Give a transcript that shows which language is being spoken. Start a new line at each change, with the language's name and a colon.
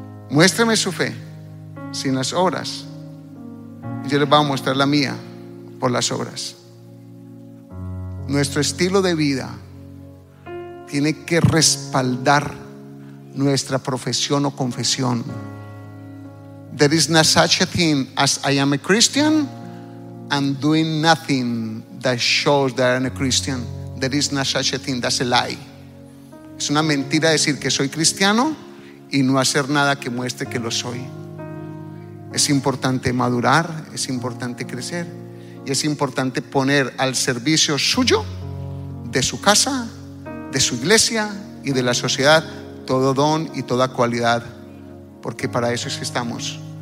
Spanish: Muéstrame su fe sin las obras, y yo les voy a mostrar la mía por las obras. Nuestro estilo de vida tiene que respaldar nuestra profesión o confesión.
English: There is no such a thing as I am a Christian and doing nothing that shows that I am a Christian. There is no such a thing, that's a lie.
Spanish: Es una mentira decir que soy cristiano y no hacer nada que muestre que lo soy. Es importante madurar, es importante crecer, y es importante poner al servicio suyo, de su casa, de su iglesia y de la sociedad, todo don y toda cualidad, porque para eso es que estamos.